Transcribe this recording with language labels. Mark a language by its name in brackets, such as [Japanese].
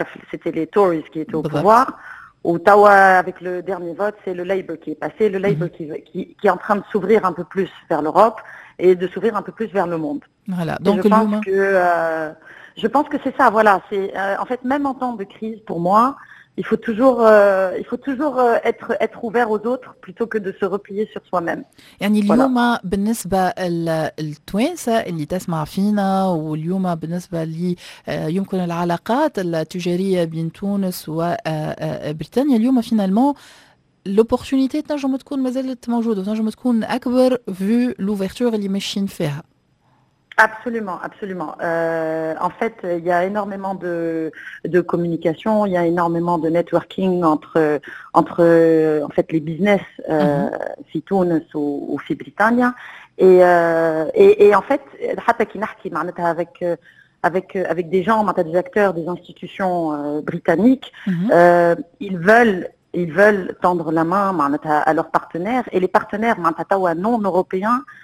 [French] C'était les Tories qui étaient au pouvoir. Ottawa, avec le dernier vote, c'est le Labour qui est passé, le Labour qui est en train de s'ouvrir un peu plus vers l'Europe et de s'ouvrir un peu plus vers le monde. Voilà. Donc je pense que c'est ça. Voilà. C'est en fait même en temps de crise, pour moi, il faut toujours être ouvert aux autres plutôt que de se replier sur soi-même. [Arabic] يعني اليوم بالنسبة للتوينس اللي تسمع فينا، واليوم بالنسبة لي يمكن العلاقات التجارية بين تونس وبريطانيا، اليوم [French] finalement l'opportunité [Arabic] تنجم تكون مازالت موجودة، تنجم تكون أكبر [French] vu l'ouverture [Arabic] اللي ماشيين فيها. [French] Absolument. En fait, il y a énormément de communication, il y a énormément de networking entre en fait les business [Arabic] fi Tunis ou fi Britannia. [French] Et en fait, [Arabic] hatta ki nahki [French] معناتها avec des gens, معناتها des acteurs, des institutions britanniques, ils veulent tendre la main معناتها à leurs partenaires, et les partenaires معناتها non européens